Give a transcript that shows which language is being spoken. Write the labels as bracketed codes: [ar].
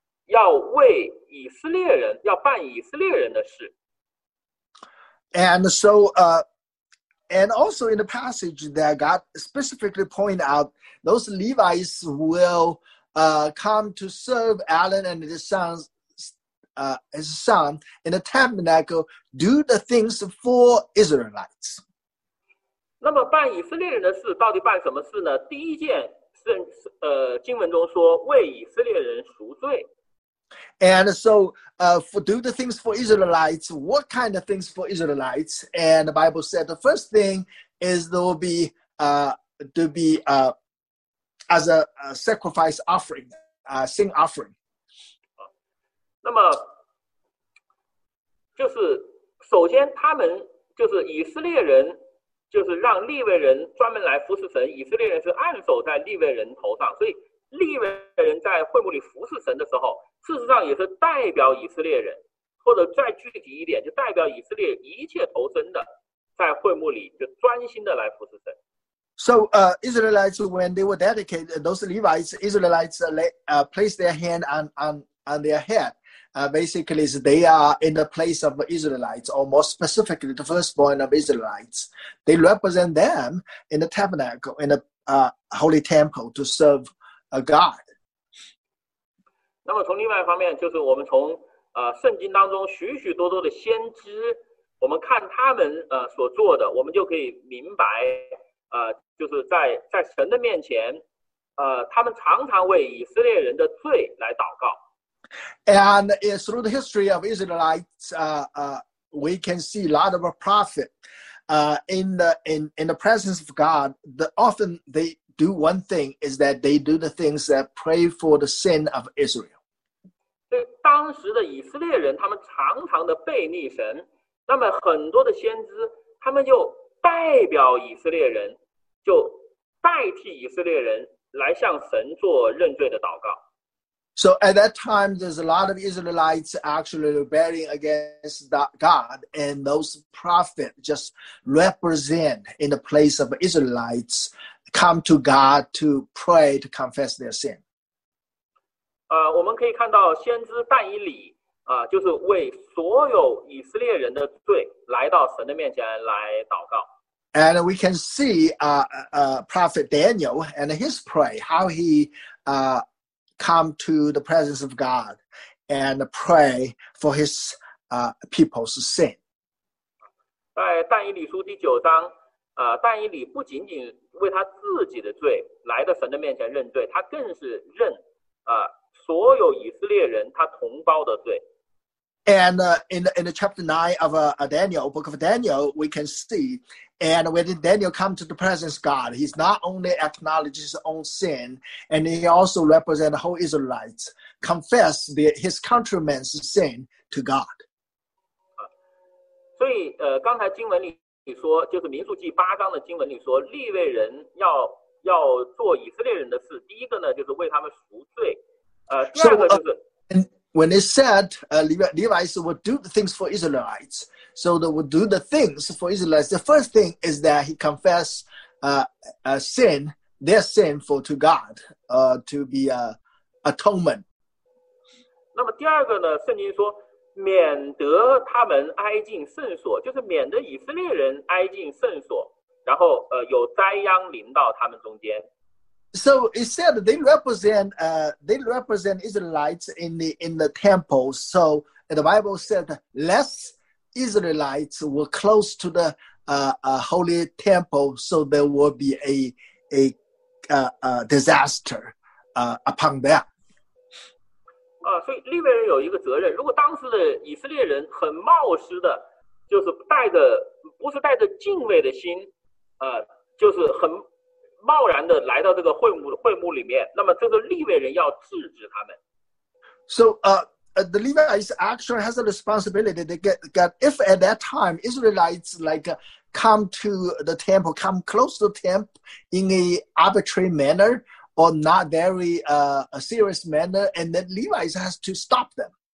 [zh] 要为以色列人，要办以色列人的事。 [en] And so, and also in the passage that God specifically pointed out, those Levites will come to serve Aaron and his son in the tabernacle, do the things for Israelites. [zh] 那么办以色列人的事到底办什么事呢？第一件是经文中说为以色列人赎罪。 [en] And so, for do the things for Israelites, what kind of things for Israelites? And the Bible said the first thing is there will be, to be, as a sacrifice offering, sin offering. [zh] 那么，就是首先他们就是以色列人，就是让利未人专门来服侍神，以色列人是按手在利未人头上，所以利未人在会幕里服侍神的时候。事实上也是代表以色列人，或者再具体一点，就代表以色列一切投身的，在会幕里就专心的来服侍神。 [en] So, Israelites when they were dedicated, those Levites, Israelites place their hand on their head. Basically, they are in the place of Israelites, or more specifically, the firstborn of Israelites. They represent them in the tabernacle, in the holy temple to serve a God. [zh] 那么从另外一方面，就是我们从圣经当中许许多多的先知，我们看他们所做的，我们就可以明白就是在神的面前，他们常常为以色列人的罪来祷告。 [en] And through the history of Israelites, we can see a lot of prophets, in the presence of God. Often they do one thing is that they do the things that pray for the sin of Israel. [zh] 当时的以色列人他们常常的背逆神，那么很多的先知他们就代表以色列人，就代替以色列人来向神做认罪的祷告。 [en] So at that time there's a lot of Israelites actually rebelling against God, and those prophets just represent in the place of Israelites come to God to pray to confess their sin. [zh] 我们可以看到先知但以理就是为所有以色列人的罪来到神的面前来祷告。 [en] And we can see Prophet Daniel and his prayer, how he come to the presence of God and pray for his people's sin. [zh] 在但以理书第九章但以理不仅仅为他自己的罪来到神的面前认罪，他更是认所有以色列人他同胞的罪。 [en] And in the chapter 9 of Daniel, book of Daniel, we can see, and when Daniel comes to the presence of God, he's not only acknowledges his own sin, and he also represents the whole Israelites, confess his countrymen's sin to God. [zh] 所以刚才经文里说，就是民数记八章的经文里说，利未人要做以色列人的事，第一个呢，就是为他们赎罪。 [en] So, and when it said Levites would do the things for Israelites, so they would do the things for Israelites. The first thing is that he confessed sin, their sin for to God, to be atonement. [zh] 那么第二个呢，圣经说免得他们挨近圣所，就是免得以色列人挨近圣所，然后有灾殃临到他们中间。 [en] So it said they represent Israelites in the temple. So the Bible said less Israelites were close to the holy temple, so there will be a disaster upon them. [zh] 所以利未人有一个责任。如果当时的以色列人很冒失的，就是带着不是带着敬畏的心，就是很贸然的来到这个会幕里面，那么这个利未人要制止他们。 [en] So, the Levites actually has a responsibility to get if at that time Israelites like come to the temple, come close to the temple in an arbitrary manner or not very a serious manner, and then Levites has to stop them.